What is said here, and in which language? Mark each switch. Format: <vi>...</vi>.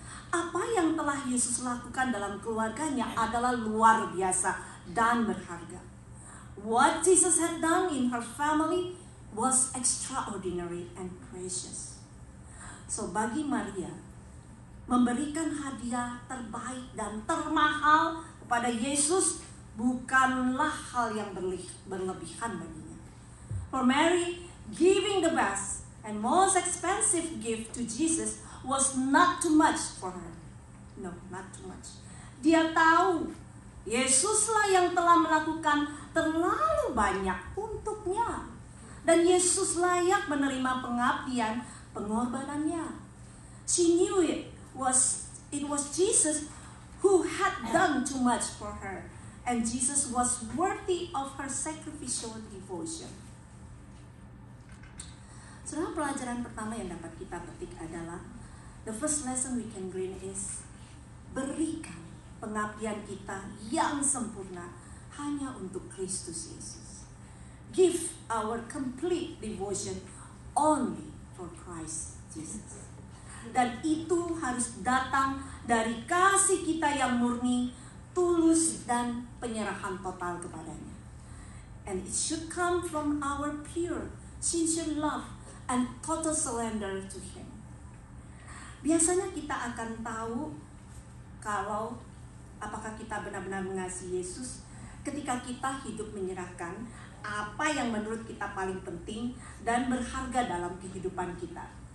<id>apa yang telah Yesus lakukan dalam keluarganya adalah luar biasa dan berharga.</id> <en>What Jesus had done in her family was extraordinary and precious.</en> <id>So bagi Maria, memberikan hadiah terbaik dan termahal kepada Yesus bukanlah hal yang berlebihan baginya.</id> <en>For Mary, giving the best and most expensive gift to Jesus was not too much for her. No, not too much.</en> <id>Dia tahu Yesuslah yang telah melakukan terlalu banyak untuknya. Dan Yesus layak menerima pengabdian pengorbanannya.</id> <en>She knew it was Jesus who had done too much for her. And Jesus was worthy of her sacrificial devotion.</en> <id>Sebenarnya pelajaran pertama yang dapat kita petik adalah</id> <en>the first lesson we can glean</en> <id>is berikan pengabdian kita yang sempurna hanya untuk Kristus Yesus.</id> <en>Give our complete devotion only for Christ Jesus.</en> <id>Dan itu harus datang dari kasih kita yang murni, tulus dan penyerahan total kepadanya.</id> <en>And it should come from our pure, sincere love and total surrender to Him.</en> <id>Biasanya kita akan tahu kalau apakah kita benar-benar mengasihi Yesus ketika kita hidup menyerahkan apa yang menurut kita paling penting dan berharga dalam kehidupan kita.</id>